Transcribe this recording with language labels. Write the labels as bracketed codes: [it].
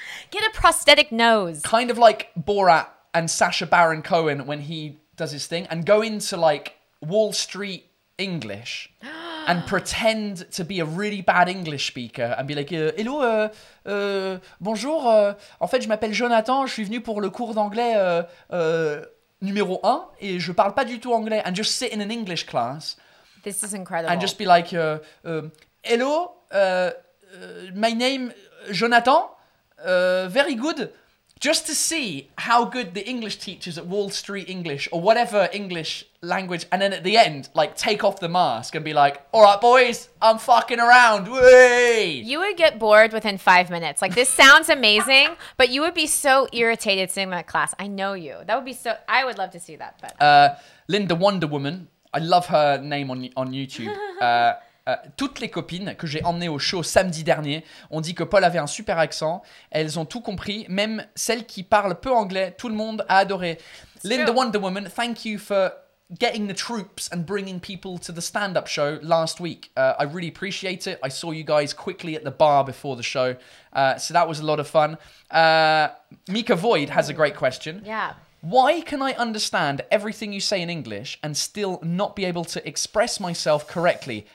[en] Get a prosthetic nose. Kind of like Borat and Sacha Baron Cohen when he does his thing, and go into like Wall Street English and pretend to be a really bad English speaker and be like, hello, bonjour. [fr] En fait, je m'appelle Jonathan. Je suis venu pour le cours d'anglais numéro un, et je parle pas du tout anglais. [en] And just sit in an English class. This is incredible. And just be like, hello, my name, Jonathan, very good. Just to see how good the English teachers at Wall Street English or whatever English language. And then at the end, like take off the mask and be like, all right, boys, I'm fucking around. Whee! You would get bored within 5 minutes. Like this sounds amazing, but you would be so irritated sitting in that class. I know you. That would be so, I would love to see that. But Linda Wonder Woman. I love her name on YouTube. [fr] Toutes les copines que j'ai emmenées au show samedi dernier ont dit que Paul avait un super accent. Elles ont tout compris. Même celles qui parlent peu anglais, tout le monde a adoré. [en] It's Linda true. Wonder Woman, thank you for getting the troops and bringing people to the stand-up show last week. I really appreciate it. I saw you guys quickly at the bar before the show. So that was a lot of fun. Mika Void has a great question. Yeah. Why can I understand everything you say in English and still not be able to express myself correctly?